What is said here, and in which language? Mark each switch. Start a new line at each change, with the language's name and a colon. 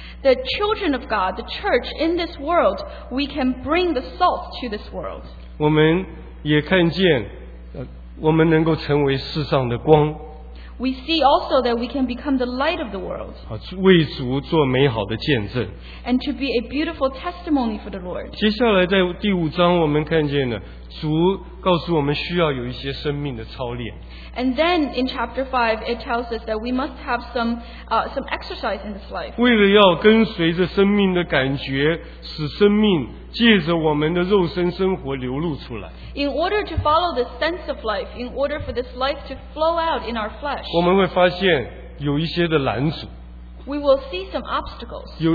English: The children of God, the church in this world, we can bring the salt to this world.
Chinese: 我们也看见，我们能够成为世上的光。
English: We see also that we can become the light of the world.
Chinese: 为主做美好的见证。
English: And to be a beautiful testimony for the Lord.
Chinese: 接下来在第五章我们看见呢，主告诉我们需要有一些生命的操练。
English: And then in chapter 5, it tells us that we must have some exercise in this life.
Chinese: 为了要跟随着生命的感觉，使生命借着我们的肉身生活流露出来。
English: In order to follow the sense of life, in order for this life to flow out in our flesh,
Chinese: 我们会发现有一些的拦阻。
English: We will see some obstacles.